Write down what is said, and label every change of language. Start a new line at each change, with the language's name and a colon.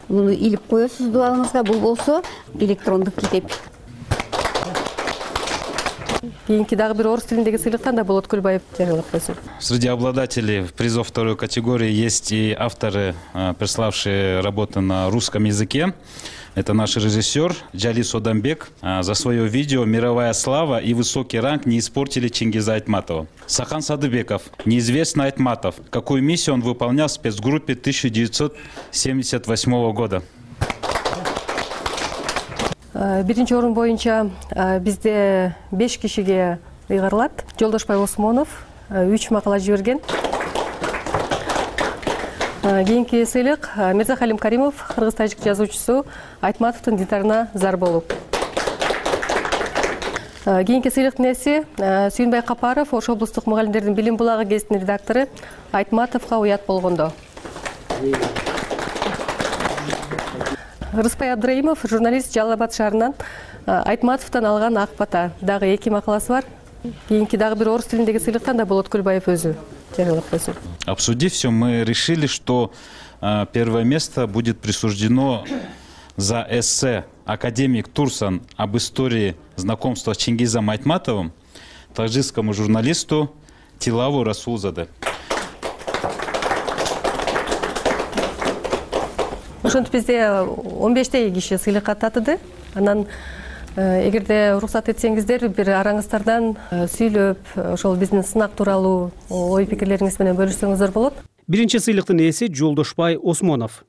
Kyrgyz: Муну илип коесуз дубалыңызга, бул болсо электрондук китеп. Кийинки дагы бир орус тилиндеги сыйлыктан да Болот Көлбаев жарыялап койсун.
Russian: Среди обладателей призов второй категории есть и авторы, приславшие работы на русском языке. Это наш режиссер Джалис Одамбек. За свое видео «Мировая слава и высокий ранг не испортили Чингиза Айтматова». Сахан Садыбеков, неизвестный Айтматов. Какую миссию он выполнял в спецгруппе 1978 года?
Kyrgyz: Биринчи орун боюнча бизде 5 кишиге ыйгарылат. Жолдошбай Осмонов 3 макала жиберген. Кийинки сыйлык Мирзахалим Каримов, кыргыз-тажик жазуучусу, Айтматовдун дидарына зар болуп. Кийинки сыйлыктын ээси Сүйүнбай Капаров, Ош облустук мугалимдердин билим булагы гезитинин редактору Айтматовго уят болгондо. Рыспай Абдраимов, журналист Жалал-Абад шаарынан Айтматовдон алган ак бата. Дагы 2 макаласы бар. Кийинки дагы бир орус тилиндеги сыйлыктан да Болот Көлбаев өзү жарыялап койсун.
Russian: Обсудив все, мы решили, что первое место будет присуждено за эссе «Академик Турсан об истории знакомства с Чингизом Айтматовым» таджикскому журналисту Тилаву Расулзаде.
Kyrgyz: Ошентип бизде 15 киши сыйлыкка татыды. Анан эгерде уруксат этсеңиздер, бир араңыздардан сүйлөп, ошол биздин сынак тууралуу ой пикирлериңиз менен бөлүшсөңүздөр болот. Биринчи сыйлыктын ээси Жолдошбай Осмонов.